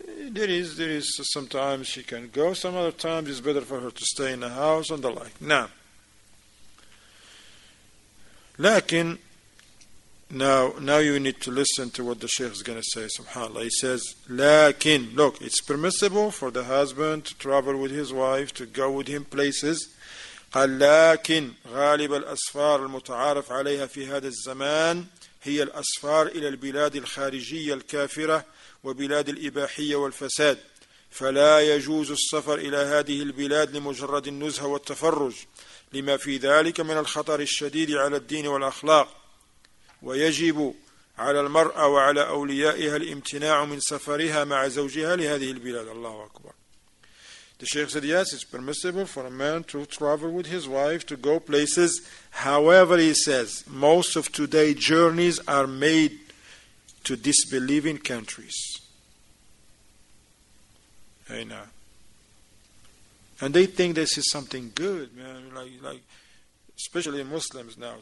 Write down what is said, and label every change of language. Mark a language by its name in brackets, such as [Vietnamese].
[English] There is sometimes she can go, some other times it's better for her to stay in the house and the like. Now, lakin, now you need to listen to what the Shaykh is going to say, subhanAllah. He says, lakin, look, it's permissible for the husband to travel with his wife, to go with him places. [Arabic] لكن غالب الأسفار المتعارف عليها في هذا الزمان هي الأسفار إلى البلاد الخارجية الكافرة وبلاد الإباحية والفساد فلا يجوز السفر إلى هذه البلاد لمجرد النزهة والتفرج لما في ذلك من الخطر الشديد على الدين والأخلاق ويجب على المرأة وعلى أوليائها الامتناع من سفرها مع زوجها لهذه البلاد. الله أكبر. [English] The Shaykh said, yes, it's permissible for a man to travel with his wife, to go places. However, he says, most of today's journeys are made to disbelieving countries. Hey, now. And they think this is something good, man, like especially Muslims now.